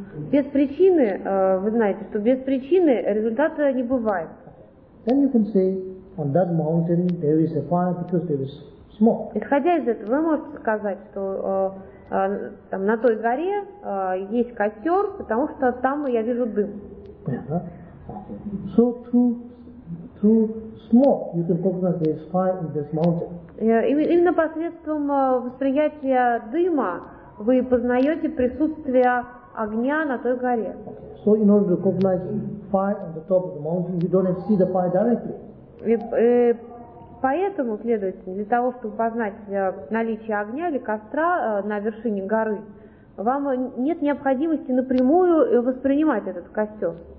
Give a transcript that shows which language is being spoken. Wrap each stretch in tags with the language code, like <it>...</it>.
<ru>Без причины, вы знаете, что без причины результата не бывает.</ru> <en>Then you can say, on that mountain there is a fire because there is smoke.</en> <ru>Исходя из этого, вы можете сказать, что там, на той горе есть костер, потому что там я вижу дым.</ru> <en>So through smoke you can cognize there is fire in this mountain.</en> <ru>Именно посредством восприятия дыма вы познаете присутствие огня на той горе.</ru> <en>So in order to cognize fire on the top of the mountain, you don't see the fire directly.</en> <ru>Поэтому, следовательно, для того, чтобы познать наличие огня или костра на вершине горы, вам нет необходимости напрямую воспринимать этот костер.</ru>